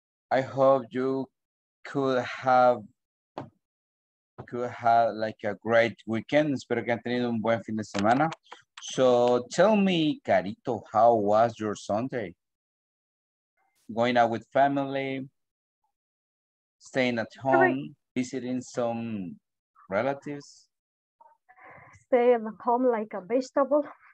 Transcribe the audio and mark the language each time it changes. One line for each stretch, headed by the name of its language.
English: I hope you could have like a great weekend.
Spanish: Espero que han tenido un buen fin de semana.
English: So tell me, Carito, how was your Sunday? Going out with family, staying at home, visiting some relatives? Stay at home like a vegetable.